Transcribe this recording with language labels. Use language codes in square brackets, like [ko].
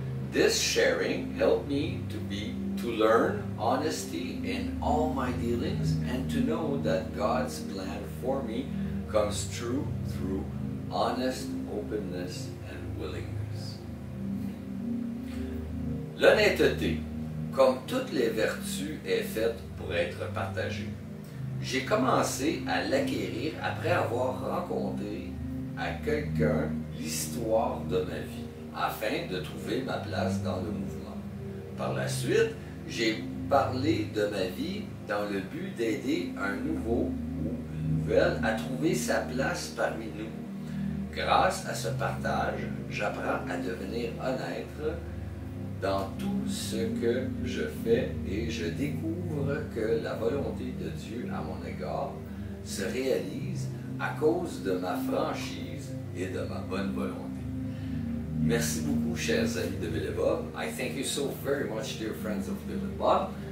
[en] This sharing helped me to learn honesty in all my dealings and to know that God's plan for me comes true through honest openness and willingness. [fr] L'honnêteté. Comme toutes les vertus est faite pour être partagée. J'ai commencé à l'acquérir après avoir rencontré à quelqu'un l'histoire de ma vie, afin de trouver ma place dans le mouvement. Par la suite, j'ai parlé de ma vie dans le but d'aider un nouveau ou une nouvelle à trouver sa place parmi nous. Grâce à ce partage, j'apprends à devenir honnête dans tout ce que je fais et je découvre que la volonté de Dieu à mon égard se réalise à cause de ma franchise et de ma bonne volonté. Merci beaucoup, chers amis de Bill et Bob. [en] I thank you so very much, dear friends of Bill and Bob.